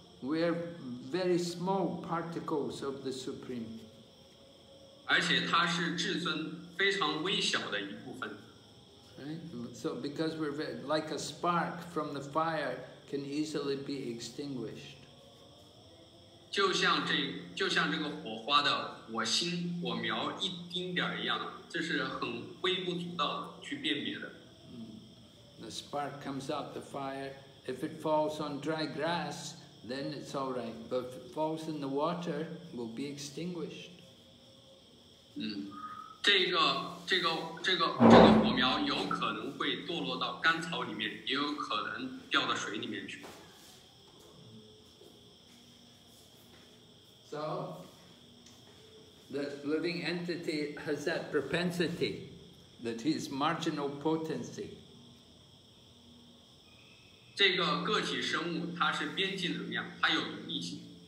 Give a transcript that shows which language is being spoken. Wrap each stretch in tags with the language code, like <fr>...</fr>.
<en>We are very small particles of the Supreme.</en> <zh>而且它是至尊非常微小的一部分。</zh> <en>Right? So because we're very, like a spark from the fire can easily be extinguished.</en> <zh>就像这个火花的火星火苗一丁点一样，这是很微不足道的去辨别的。</zh> <en>The spark comes out the fire. If it falls on dry grass, then it's all right. But if it falls in the water, it will be extinguished. So, the living entity has that propensity, that his marginal potency.</en> <zh>这个个体生物它是边际能量，它有能力性。</zh>